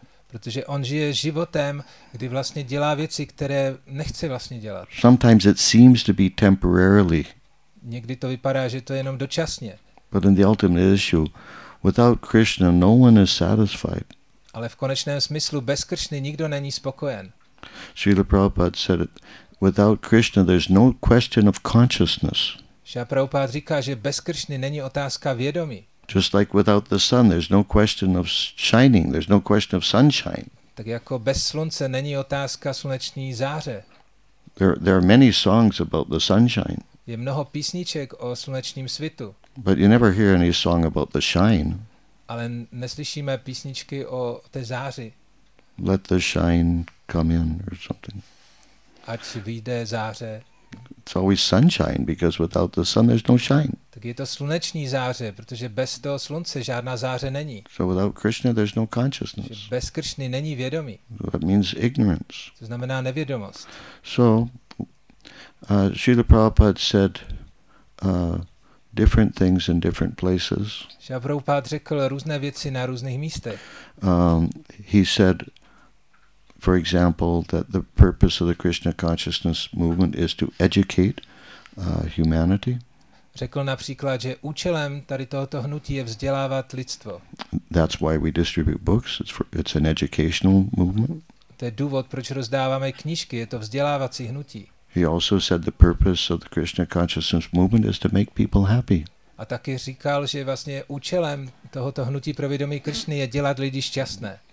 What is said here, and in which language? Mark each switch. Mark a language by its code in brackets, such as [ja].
[cs] Protože on žije životem, kdy vlastně dělá věci, které nechce vlastně dělat. [en] Sometimes it seems to be temporarily. [cs] Někdy to vypadá, že to je jenom dočasně. [en] But in the ultimate issue, without Krishna, no one is satisfied. [cs] Ale v konečném smyslu bez Krishny nikdo není spokojen. [en] Srila Prabhupada said it, without Krishna there's no question of consciousness. [cs] Srila Prabhupada říká, že bez Krishny není otázka vědomí. [en] Just like without the sun, there's no question of shining, there's no question of sunshine. [cs] Tak jako bez slunce není otázka sluneční záře. [en] There are many songs about the sunshine. [cs] Je mnoho písniček o slunečním svitu. [en] But you never hear any song about the shine. [cs] Ale neslyšíme písničky o té záři. [en] Let the shine come in or something. [cs] Ať vyjde záře. [en] It's always sunshine because without the sun there's no shine. [cs] Tak je to sluneční záře, protože bez toho slunce žádná záře není. [en] So without Krishna there's no consciousness. [cs] Takže bez Krishny není vědomí. [en] That means ignorance. [cs] To znamená nevědomost. [en] So Srila Prabhupada said different things in different places. [cs] Srila Prabhupada řekl různé věci na různých místech. [en] He said, for example, that the purpose of the Krishna consciousness movement is to educate humanity. [cs] Řekl například, že účelem tady tohoto hnutí je vzdělávat lidstvo. [en] That's why we distribute books. It's an educational movement. [cs] To je důvod, proč rozdáváme knížky, je to vzdělávací hnutí. [en] He also said the purpose of the Krishna consciousness movement is to make people happy. [cs] A taky říkal, že vlastně účelem tohoto hnutí pro vědomí Krišny je dělat lidi šťastné.